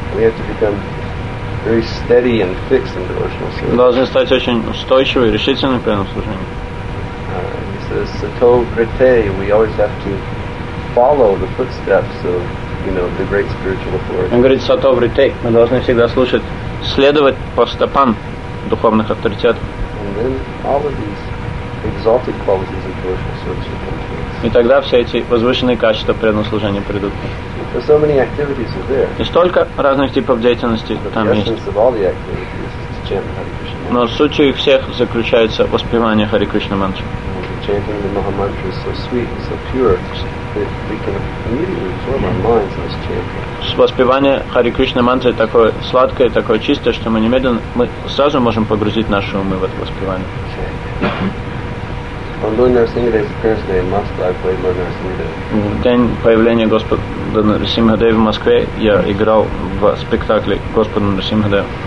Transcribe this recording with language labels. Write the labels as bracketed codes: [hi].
[en] We have to become very steady and fixed in devotional service. [ru] Должны стать очень устойчивы и решительны при этом служении. [en] He says, сато врите. We always have to follow the footsteps of the great spiritual authority. [ru] Он говорит, сато врите, мы должны всегда слушать, следовать по стопам духовных авторитетов. [en] And then all of these exalted qualities of devotional service will come to us. [ru] И тогда все эти возвышенные качества преданного служения придут. [en] Because so many activities are there. [ru] И столько разных типов деятельности там есть. [en] The essence of all the activities is to chant Hare Krishna. [ru] Но суть их всех заключается в воспевании Hare Krishna mantra. [en] Chanting the Maha Mantra is so sweet and so pure that we can immediately absorb our minds in this chanting. [ru] Воспевание Хари Кришна мантры такое сладкое, такое чистое, что мы сразу можем погрузить наши умы в это воспевание. [en] On Lord Narasimhadeva's appearance day in Moscow, I played Lord Narasimhadeva. [ru] В день появления Господа Нарасимхадевы в Москве я играл в спектакле Господа Нарасимхадева.